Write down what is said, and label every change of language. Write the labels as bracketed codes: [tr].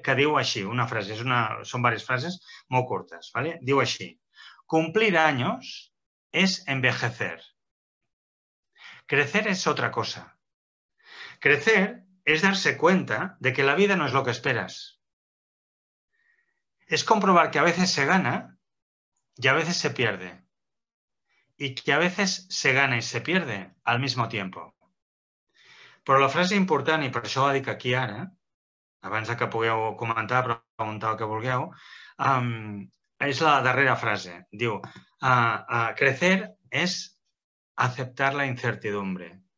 [ca] Que diu així, una frase, són diverses frases molt curtes, vale? Diu així, [es] cumplir años es envejecer. Crecer es otra cosa. Crecer es darse cuenta de que la vida no es lo que esperas. Es comprobar que a veces se gana y a veces se pierde. Y que a veces se gana y se pierde al mismo tiempo. [ca] Però la frase important, i per això la dic aquí ara, abans que pugueu comentar, preguntar el que vulgueu, és la darrera frase. [es] Diu, crecer es aceptar la incertidumbre.